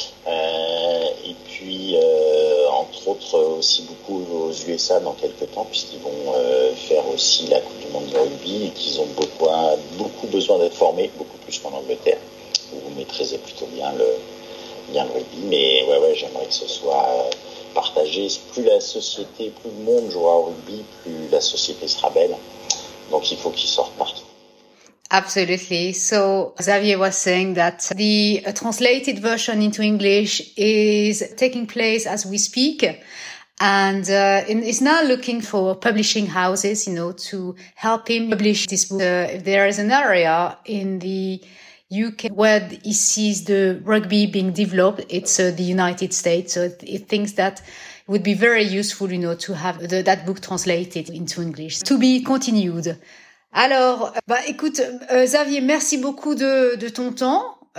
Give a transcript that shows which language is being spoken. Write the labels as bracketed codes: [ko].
[fr] Et puis, entre autres, aussi beaucoup aux USA dans quelques temps, puisqu'ils vont faire aussi la Coupe du Monde de rugby et qu'ils ont beaucoup besoin d'être formés, beaucoup plus qu'en Angleterre, où vous maîtrisez plutôt bien le rugby. Mais ouais, j'aimerais que ce soit partagé. Plus la société, plus le monde jouera au rugby, plus la société sera belle. Donc, il faut qu'ils sortent partout. [en] Absolutely. So Xavier was saying that the translated version into English is taking place as we speak. And is now looking for publishing houses, you know, to help him publish this book. If there is an area in the UK where he sees the rugby being developed, it's the United States. So he thinks that it would be very useful, you know, to have that book translated into English to be continued. [fr] Alors, écoute, Xavier, merci beaucoup de ton temps.